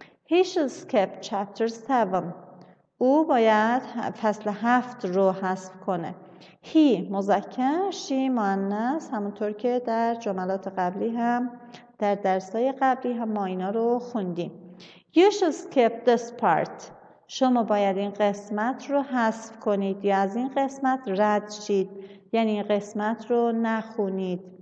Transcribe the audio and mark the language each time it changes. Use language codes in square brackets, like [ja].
[en] He should skip chapter 7. [fa] او باید فصل 7 رو حذف کنه. He مذکر، she مؤنث، همونطور که در جملات قبلی هم در درس‌های قبلی هم ما اینا رو خوندیم. [en] You should skip this part. [fa] شما باید این قسمت رو حذف کنید یا از این قسمت رد شید، یعنی این قسمت رو نخونید.